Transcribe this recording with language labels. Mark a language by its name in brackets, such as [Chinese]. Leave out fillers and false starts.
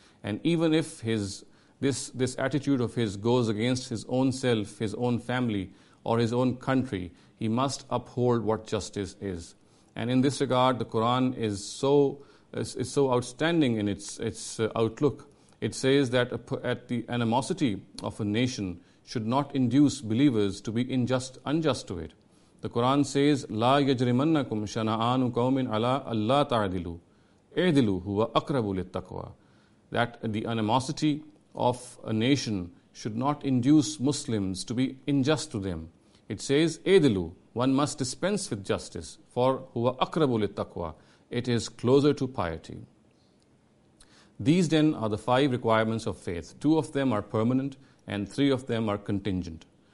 [English] And even if this attitude of his goes against his own self, his own family, or his own country, he must uphold what justice is. And in this regard, the Quran is so outstanding in its outlook. It says that at the animosity of a nation should not induce believers to be unjust to it. The Quran says, [Arabic] لا يجرمنكم شنعان قوم على الله تعدلوا اعدلوا هو أقرب للتقوى. [English] That the animosity of a nation should not induce Muslims to be unjust to them. It says, اعدلوا, one must dispense with justice, for [Arabic] هو أقرب للتقوى, [English] it is closer to piety. These then are the five requirements of faith. Two of them are permanent and three of them are contingent.